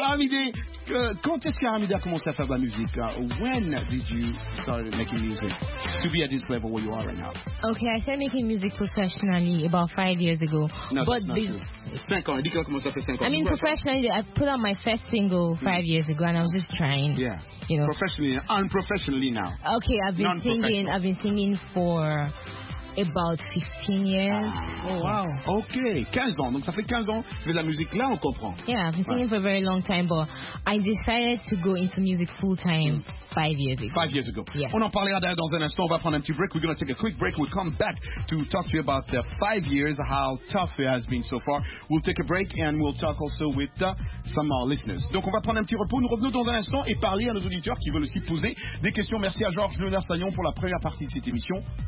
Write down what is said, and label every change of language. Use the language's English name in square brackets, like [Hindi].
[French] Aramidé, quand est-ce qu'Aramidé a commencé à faire de la musique? [English] When did you start making music to be at this level where you are right now? Okay, I started making music professionally about 5 years ago. No, but that's not true. [French] 5 ans. [English] Professionally, I put out my first single 5 years ago and I was just trying. Yeah. You know. Professionally, unprofessionally now. Okay, I've been singing for about 15 years. Oh, wow. [French] Okay, 15 ans. Donc ça fait 15 ans que je fais de la musique. Là, on comprend. [English] Yeah, I've been singing for a very long time, but I decided to go into music full-time 5 years ago. 5 years ago. Yeah. [French] On en parlera d'ailleurs dans un instant. On va prendre un petit break. [English] We're going to take a quick break. We'll come back to talk to you about the 5 years, how tough it has been so far. We'll take a break and we'll talk also with some of our listeners. [French] Donc, on va prendre un petit repos. Nous revenons dans un instant et parler à nos auditeurs qui veulent aussi poser des questions. Merci à Georges Léonard Sagnon pour la première partie de cette émission.